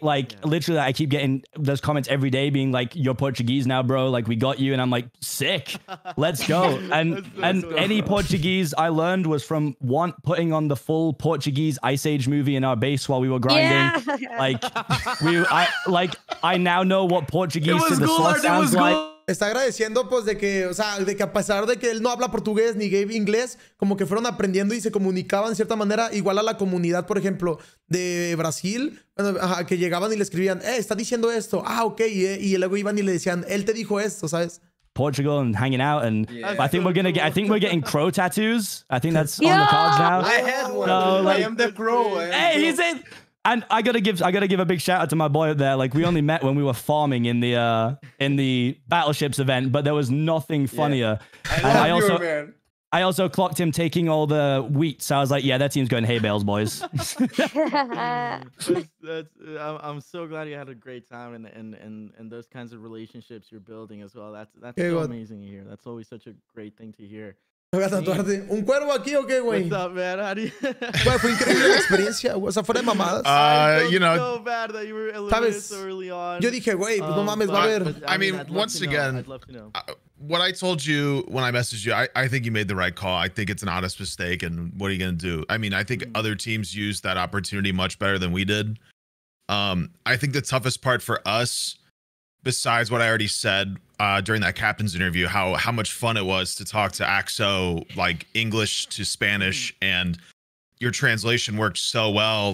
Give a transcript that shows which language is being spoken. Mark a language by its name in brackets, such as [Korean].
[English] Like, literally, I keep getting those comments every day being like, you're Portuguese now, bro. Like, we got you. And I'm like, sick. Let's go. Any Portuguese I learned was from one putting on the full Portuguese Ice Age movie in our base while we were grinding. Yeah. Like, I now know what Portuguese to the cool, source sounds like. [Spanish] Está agradeciendo, pues, de que a pesar de que él no habla portugués ni Gabe inglés, como que fueron aprendiendo y se comunicaban de cierta manera, igual a la comunidad, por ejemplo, de Brasil, bueno, ajá, que llegaban y le escribían, está diciendo esto, ok, y luego iban y le decían, él te dijo esto, ¿sabes? [English] Portugal and hanging out, and yeah. I think we're getting crow tattoos. I think that's yeah. on the cards now. I had one. So, like, I am the crow. He's in. And I gotta give a big shout out to my boy up there. Like, we only met when we were farming in the battleships event, but there was nothing funnier. Yeah. I also clocked him taking all the wheat. So I was like, yeah, that team's going hay bales, boys. I'm so glad you had a great time and those kinds of relationships you're building as well. That's hey, so what? Amazing to hear. That's always such a great thing to hear. [Spanish] ¿Te voy a tatuarte? ¿Un cuervo aquí o qué, güey? [English] What's up, man? [Spanish] Fue increíble la experiencia, güey. O sea, fuera de mamadas. [English] You know, so bad that you were eliminated so early on. [Spanish] Yo dije, güey, pues no mames, va a ver. [English] What I told you when I messaged you, I think you made the right call. I think it's an honest mistake, and what are you going to do? I mean, I think other teams used that opportunity much better than we did. I think the toughest part for us, besides what I already said during that captain's interview, how much fun it was to talk to Axo, like English to Spanish, and your translation worked so well.